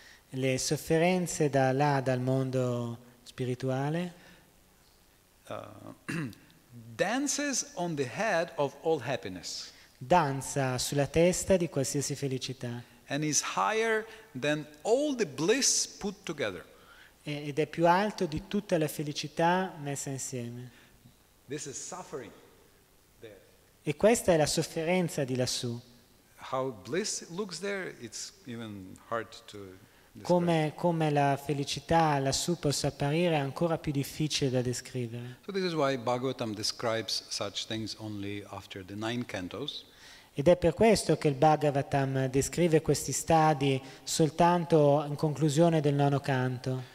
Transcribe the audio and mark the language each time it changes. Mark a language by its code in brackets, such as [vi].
[it] Le sofferenze da là, dal mondo spirituale. [en] Dances on the head of all happiness. [it] Danza sulla testa di qualsiasi felicità. [en] And is higher than all the bliss put together. [it] Ed è più alto di tutta la felicità messa insieme. [en] This is suffering there. [it] E questa è la sofferenza di lassù. [en] How bliss looks there, it's even hard to describe. [it] Come la felicità lassù possa apparire è ancora più difficile da descrivere. [en] So this is why Bhagavatam describes such things only after the 9 cantos. [it] Ed è per questo che il Bhagavatam descrive questi stadi soltanto in conclusione del 9° canto.